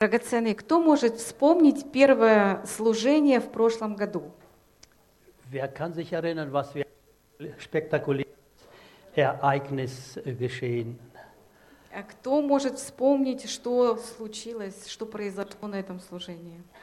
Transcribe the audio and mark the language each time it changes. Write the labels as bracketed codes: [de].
[ru] Драгоценный, кто может вспомнить первое служение в прошлом году? [de] Wer kann sich erinnern, was für ein spektakuläres Ereignis geschehen? [ru] Кто может вспомнить, что случилось, что произошло на этом служении?